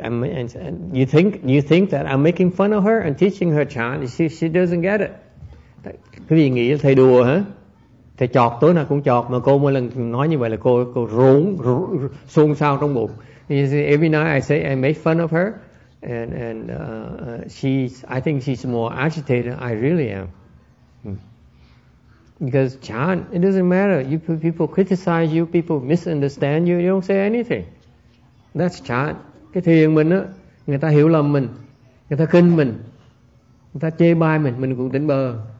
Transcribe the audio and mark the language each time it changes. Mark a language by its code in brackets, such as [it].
[en] You think that I'm making fun of her and teaching her chant? She doesn't get it. [vi] Quý vị nghĩ là thầy đùa hả? Thầy chọc tối nào cũng chọc, mà cô mỗi lần nói như vậy là cô rốn xôn xao trong bụng. [en] Every night I say I make fun of her I think she's more agitated than I really am. Because chant, it doesn't matter. You people criticize you, people misunderstand you, you don't say anything. That's chant. [vi] Cái thiền mình á, người ta hiểu lầm mình, người ta khinh mình, người ta chê bai mình cũng tỉnh bơ.